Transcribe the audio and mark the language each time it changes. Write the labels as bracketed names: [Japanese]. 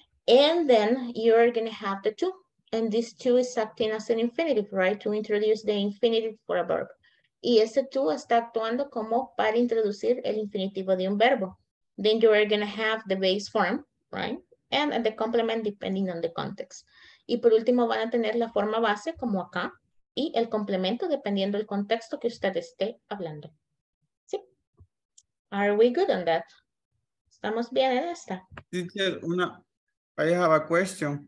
[English] And then you are going to have the two. And these two is acting as an infinitive, right? To introduce the infinitive for a verb. [Spanish] Y ese two está actuando como para introducir el infinitivo de un verbo. [English] Then you are going to have the base form, right? And the complement depending on the context. [Spanish] Y por último van a tener la forma base como acá y el complemento dependiendo del contexto que usted esté hablando. [English] ¿Sí? Are we good on that? [Spanish] ¿Estamos bien en esta? [English] Teacher, una, I have a question.